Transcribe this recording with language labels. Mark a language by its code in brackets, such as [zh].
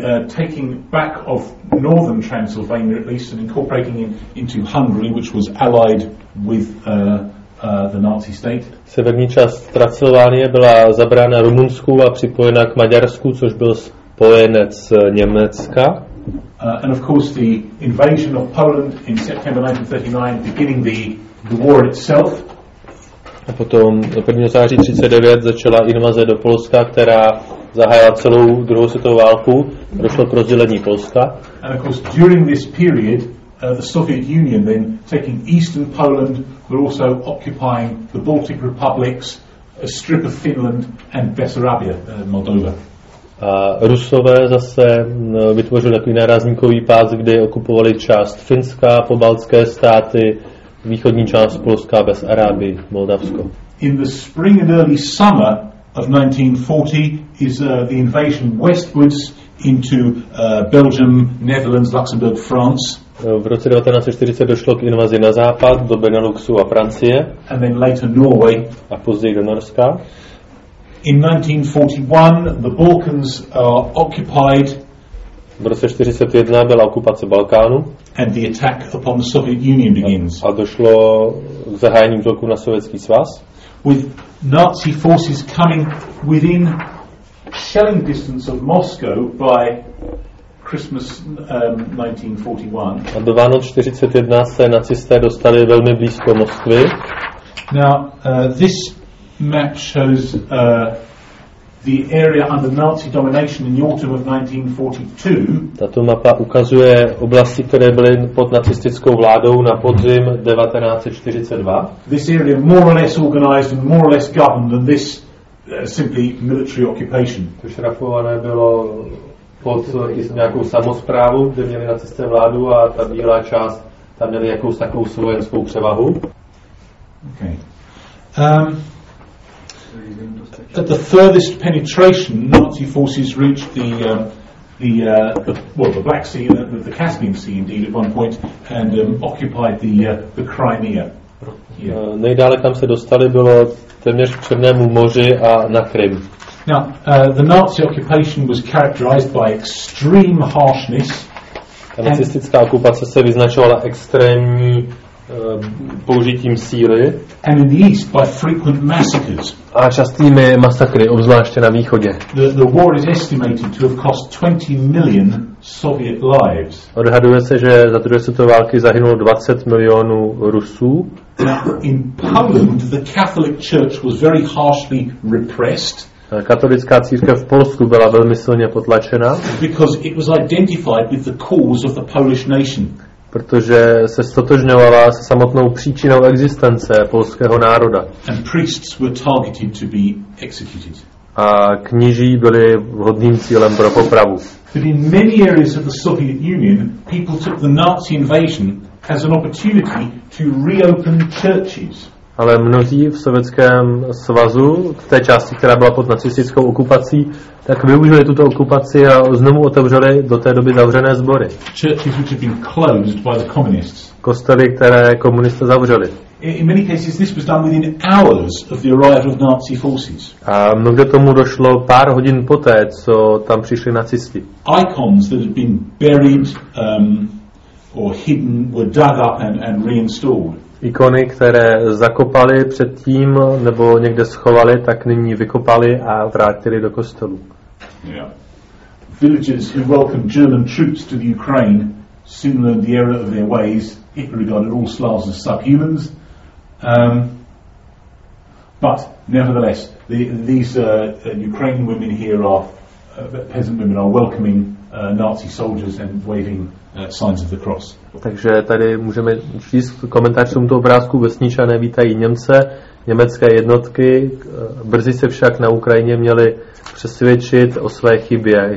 [en] Taking back of northern Transylvania at least and incorporating it into Hungary, which was allied with the Nazi state. [cs] Severní část Transylvánie byla zabrána Rumunskou a připojena k Maďarsku, což byl spojenec Německa. [en] And of course the invasion of Poland in September 1939, beginning the war itself. [cs] A potom 1. září 39 začala invaze do Polska, která zahájila celou druhou světovou válku, došlo k rozdělení Polska. [en] And of course during this period the Soviet Union then taking eastern Poland but also occupying the Baltic republics, a strip of Finland and Bessarabia, Moldova. [cs] Rusové zase vytvořili takový nárazníkový pás, kde okupovali část Finska, pobaltské státy, východní část Polska, Bessarabii, Moldavsko. [en] In the spring and early summer of 1940 is the invasion westwards into Belgium, Netherlands, Luxembourg, France. [cs] V roce 1940 došlo k invazi na západ, do Beneluxu a Francie. [en] And then later Norway. [cs] A později do Norska. [en] In 1941 the Balkans are occupied. [cs] V roce 1941 byla okupace Balkánu. [en] And the attack upon the Soviet Union begins. [cs] A došlo k zahájení útoku na Sovětský svaz. [en] With Nazi forces coming within shelling distance of Moscow by Christmas 1941. [cs] A do Vánoc 41 se nacisté dostali velmi blízko Moskvy. [en] Now this map shows the area under Nazi domination in the autumn of 1942. [cs] Tato mapa ukazuje oblasti, které byly pod nacistickou vládou na podzim 1942. [en] This area more or less organized and more or less governed than this simply military occupation. [cs] To šrafované bylo pod nějakou samosprávu, kde měli nacisté vládu a ta bílá část tam měli jakousi takovou vojenskou převahu. [en] Okay. At the furthest penetration, Nazi forces reached the Black Sea, the Caspian Sea indeed at one point, and occupied the Crimea. Yeah. [cs] Nejdále, kam se dostali, bylo téměř k Černému moři a na Krym. [en] Now, the Nazi occupation was characterized by extreme harshness. [cs] Ta nacistická okupace se vyznačovala extrémní použitím síly. [en] And in the east by frequent massacres. [cs] A častými masakry, obzvláště na východě. [en] The war is estimated to have cost 20 million Soviet lives. [cs] Odhaduje se, že za druhé světové války zahynulo 20 milionů Rusů. [en] Now, in Poland, the Catholic Church was very harshly repressed. [cs] Katolická církev v Polsku byla velmi silně potlačena. [en] Because it was identified with the cause of the Polish nation. [cs] Protože se stotožňovala se samotnou příčinou existence polského národa. [en] And priests were targeted to be executed. [cs] A kněží byli vhodným cílem pro popravu. [en] But in many areas of the Soviet Union, people took the Nazi invasion as an opportunity to reopen churches. [cs] Ale mnozí v Sovětském svazu, v té části, která byla pod nacistickou okupací, tak využili tuto okupaci a znovu otevřeli do té doby zavřené sbory. [en] Churches which have been closed by the communists. [cs] Kostely, které komunisté zavřeli. [en] In many cases this was done within hours of the arrival of Nazi forces. [cs] A mnohdy tomu došlo pár hodin poté, co tam přišli nacisti. [en] Icons that had been buried or hidden were dug up and reinstalled. [cs] ikony, které zakopali předtím nebo někde schovali, tak nyní vykopali a vrátili do kostelů. [en] Yeah. Villagers who welcomed German troops to the Ukraine, similar to the error of their ways, Hitler regarded all Slavs as subhumans. But nevertheless, these Ukrainian women here are peasant women are welcoming Nazi soldiers and waving signs of the cross. [cs] Takže tady můžeme číst komentář k tomuto obrázku. Vesničané vítají Němce, německé jednotky. Brzy se však na Ukrajině měli přesvědčit o své chybě.